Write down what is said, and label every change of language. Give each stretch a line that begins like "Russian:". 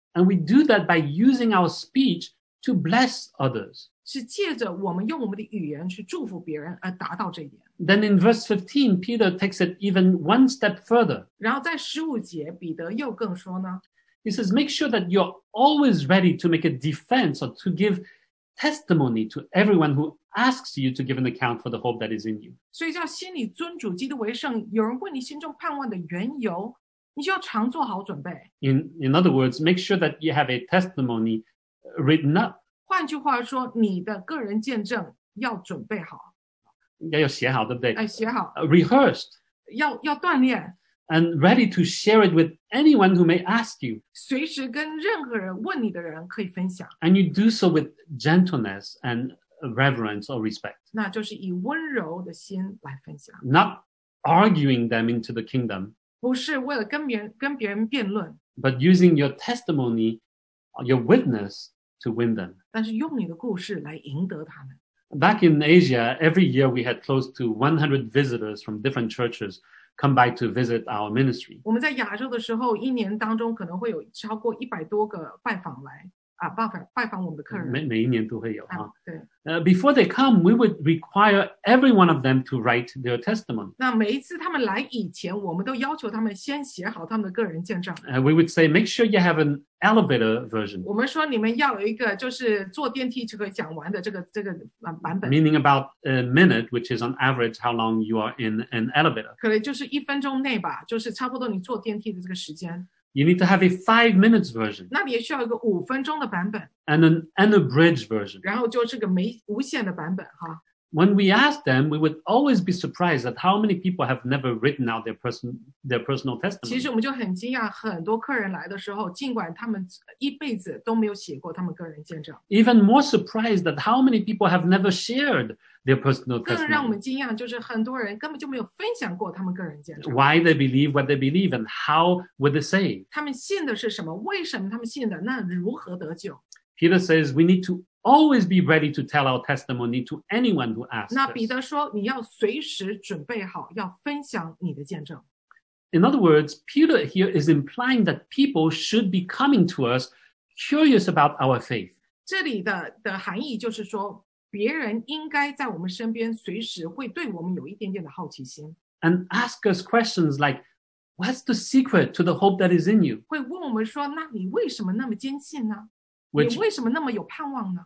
English: And we do that by using our speech to bless others.
Chinese: 是借着我们用我们的语言去祝福别人而达到这一点。
English: Then in verse 15, Peter takes it even one step further.
Chinese: 然后在15节彼得又更说呢。
English: He says, make sure that you're always ready to make a defense or to give testimony to everyone who asks you to give an account for the hope that is in you.
Chinese: 所以叫心里尊主基督为圣，有人问你心中盼望的缘由，你就要常做好准备。
English: In other words, make sure that you have a testimony written up.
Chinese: 换句话说，你的个人见证要准备好。要写好，对不对？写好。
English: Rehearsed.
Chinese: 要锻炼。
English: And ready to share it with anyone who may ask you.
Chinese: 随时跟任何人问你的人可以分享。
English: And you do so with gentleness and reverence or respect.
Chinese: 那就是以温柔的心来分享。
English: Not arguing them into the kingdom.
Chinese: 不是为了跟别人辩论。
English: But using your testimony, your witness to win them.
Chinese: 但是用你的故事来赢得他们。
English: Back in Asia, every year we had close to 100 visitors from different churches come by to visit our ministry.
Chinese: 我们在亚洲的时候，一年当中可能会有超过100多个拜访来。拜访我们的客人，每一年都会有哈。对。
English: Before they come, we would require every one of them to write their testimony.
Chinese: 那每一次他们来以前，我们都要求他们先写好他们的个人见证。
English: We would say, make sure you have an elevator version.
Chinese: 我们说你们要有一个就是坐电梯就可以讲完的这个版本。
English: Meaning about a minute, which is on average how long you are in an elevator.
Chinese: 可能就是一分钟内吧，就是差不多你坐电梯的这个时间。
English: You need to have a 5 minutes version.
Chinese: 那也需要一个五分钟的版本。
English: And an unabridged version.
Chinese: 然后就是个无限的版本哈。
English: When we asked them, we would always be surprised at how many people have never written out their personal testimony.
Chinese: 其实我们就很惊讶，很多客人来的时候，尽管他们一辈子都没有写过他们个人见证。
English: Even more surprised at how many people have never shared their personal testimony.
Chinese: 更让我们惊讶就是很多人根本就没有分享过他们个人见证。
English: Why they believe what they believe and how would they say?
Chinese: 他们信的是什么？为什么他们信的？那如何得救？
English: Peter says we need to always be ready to tell our testimony to anyone who asks.
Chinese: 那彼得说你要随时准备好要分享你的见证。
English: In other words, Peter here is implying that people should be coming to us curious about our faith.
Chinese: 这里的含义就是说别人应该在我们身边随时会对我们有一点点的好奇心。
English: And ask us questions like, what's the secret to the hope that is in you?
Chinese: 会问我们说，那你为什么那么坚信呢？你为什么那么有盼望呢？